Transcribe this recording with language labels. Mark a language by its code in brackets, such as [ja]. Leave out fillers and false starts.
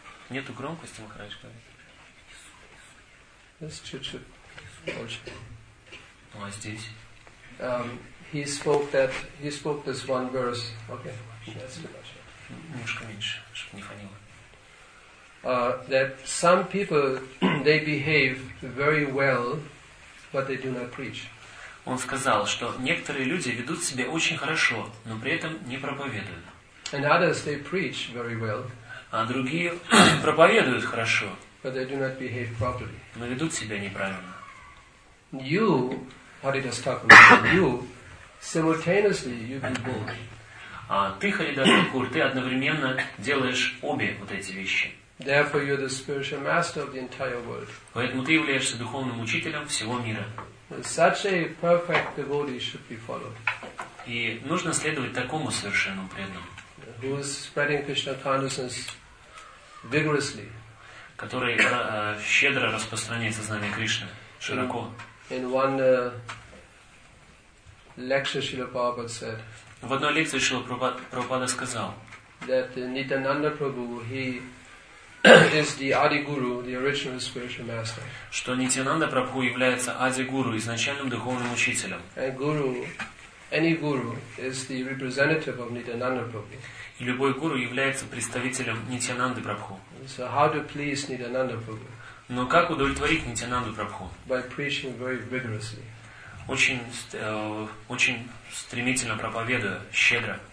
[ru] Нету громкости, Махарадж говорит. Just чуть-чуть больше. Ну а здесь? [en] He spoke this one verse. Okay. That's too much. [ru] Немножко меньше, чтобы не фонило. [en] That some people they behave very well, but they do not preach. [ru] Он сказал, что некоторые люди ведут себя очень хорошо, но при этом не проповедуют. [en] And others they preach very well. [ru] А другие проповедуют хорошо. [en] But they do not behave properly. [ru] Но ведут себя неправильно. [en] You, Haridas Thakur, you simultaneously you do both. [ru] А ты, Харидас Такур, ты одновременно делаешь обе вот эти вещи. [en] Therefore, you're the spiritual master of the entire world. [ru] Поэтому ты являешься духовным учителем всего мира. [en] Such a perfect devotee should be followed. [ru] И нужно следовать такому совершенному преданному. [en] Who is spreading Krishna consciousness vigorously. [ru] Который щедро распространяет сознание Кришны, широко. [en] In one lecture, Srila Prabhupada said, [ru] в одной лекции Шрила Прабхупада сказал, [en] that Nityananda Prabhu, he is the Adi Guru, the original spiritual master. [ru] Что Нитянанда Прабху является Ади Гуру, изначальным духовным учителем. [en] And guru, any guru is the representative of Nityananda Prabhu. [ru] И любой гуру является представителем Нитянанды Прабху. [en] So how to please Nityananda Prabhu? [ru] Но как удовлетворить Нитянанду Прабху? [en] By preaching very vigorously. [ru] Очень стремительно проповедуя, щедро,